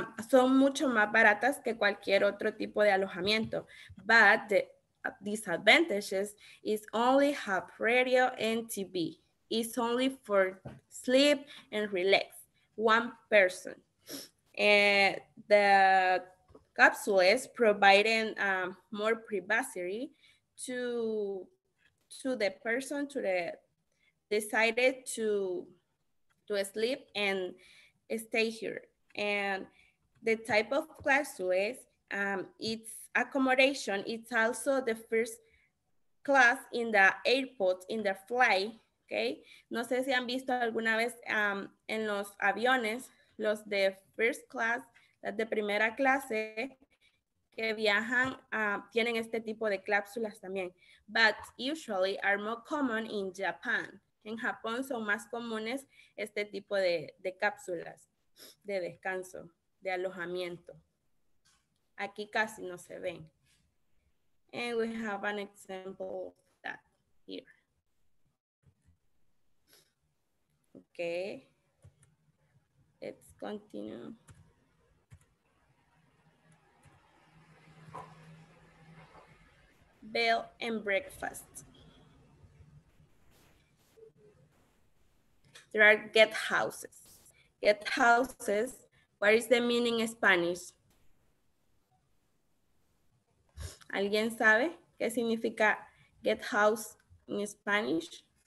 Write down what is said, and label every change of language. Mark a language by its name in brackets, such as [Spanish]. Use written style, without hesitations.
[Spanish] Son mucho más baratas que cualquier otro tipo de alojamiento. [English] But the disadvantages is only have radio and TV. It's only for sleep and relax. One person. The capsules providing more privacy to the person to the decided to sleep and stay here. And the type of capsules, it's accommodation. It's also the first class in the airport, in the flight. Okay. [Spanish] No sé si han visto alguna vez en los aviones, los de first class, las de primera clase que viajan, tienen este tipo de cápsulas también. [English] But usually are more common in Japan. [Spanish] En Japón son más comunes este tipo de cápsulas de descanso, de alojamiento. Aquí casi no se ven. [English] And we have an example of that here. Okay, let's continue. Bed and breakfast. There are guest houses. Guest houses, what is the meaning in Spanish? [Spanish] ¿Alguien sabe qué significa guest house [English] in Spanish?